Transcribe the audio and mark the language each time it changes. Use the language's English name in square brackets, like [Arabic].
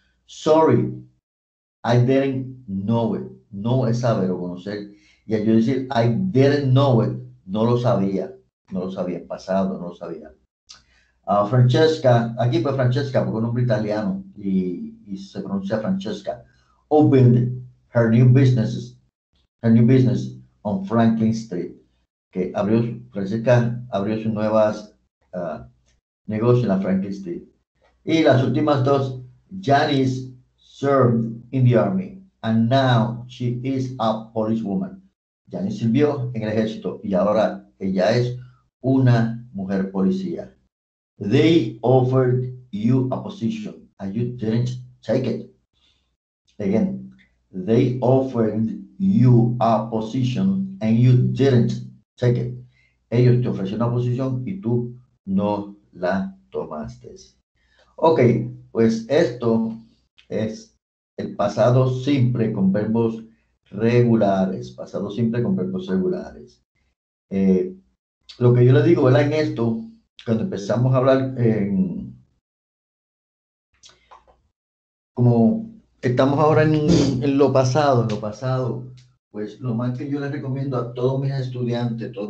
[English] Sorry, I didn't know it. [Spanish] No es saber o conocer. Y yo decir, [English] I didn't know it. [Spanish] No lo sabía, no lo sabía, pasado, no lo sabía. Francesca, aquí fue Francesca, porque es un nombre italiano y se pronuncia Francesca, [English] opened her new business on Franklin Street. [Spanish] Que abrió, Francesca abrió sus nuevas negocios en la Franklin Street. Y las últimas dos, [English] Janice served in the army and now she is a police woman. [Spanish] Janice sirvió en el ejército y ahora ella es una mujer policía. [English] They offered you a position and you didn't take it. Again, they offered you a position and you didn't take it. [Spanish] Ellos te ofrecieron una posición y tú no la tomaste. Ok, pues esto es el pasado simple con verbos regulares. Pasado simple con verbos regulares. Lo que yo le digo, ¿verdad? En esto, cuando empezamos a hablar, como estamos ahora en lo pasado, pues lo más que yo les recomiendo a todos mis estudiantes,